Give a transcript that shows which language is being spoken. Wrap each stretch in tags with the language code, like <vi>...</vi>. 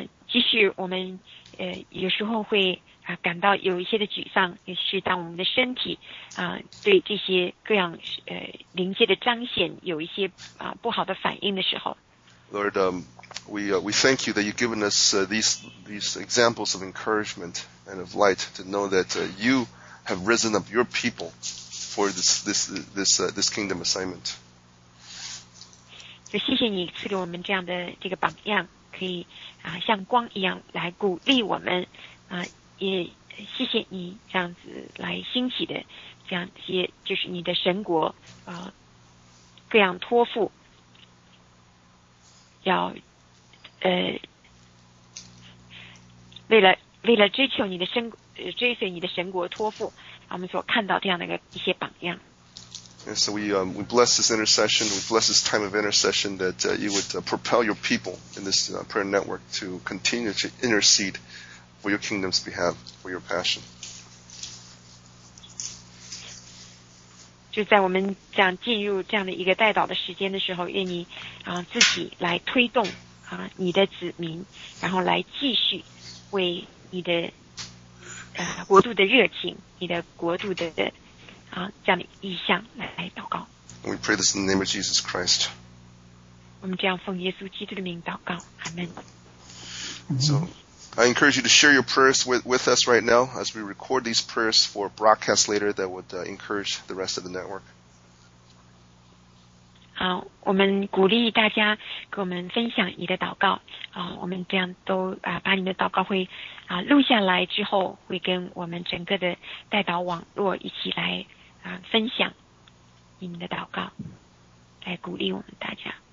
<zh>即使我们有时候会感到有一些的沮丧，也是当我们的身体对这些各样灵界的彰显有一些不好的反应的时候。</zh> <en>Lord, we thank you that you've given us these examples of encouragement and of light to know that you have risen up your people for this kingdom assignment.</en> <zh>就谢谢你赐给我们这样的这个榜样，可以像光一样来鼓励我们也谢谢你这样子来兴起的这样一些就是你的神国各样托付要为了追求你的追随你的神国托付，我们所看到这样的一些榜样。</zh> <en>And so we bless this intercession, we bless this time of intercession that you would propel your people in this prayer network to continue to intercede for your kingdom's behalf, for your passion.</en> <zh>就在我们这样进入这样的一个带祷的时间的时候，愿你自己来推动你的子民，然后来继续为你的国度的热情，你的国度的这样的意向来祷告。</zh> <en>We pray this in the name of Jesus Christ.</en> <zh>我们这样奉耶稣基督的名祷告，阿门。</zh> <en>So, I encourage you to share your prayers with us right now as we record these prayers for broadcast later that would encourage the rest of the network.</en> <zh>好，我们鼓励大家给我们分享你的祷告。我们这样都把你的祷告会录下来之后，会跟我们整个的带祷网络一起来分享你们的祷告，来鼓励我们大家。</zh>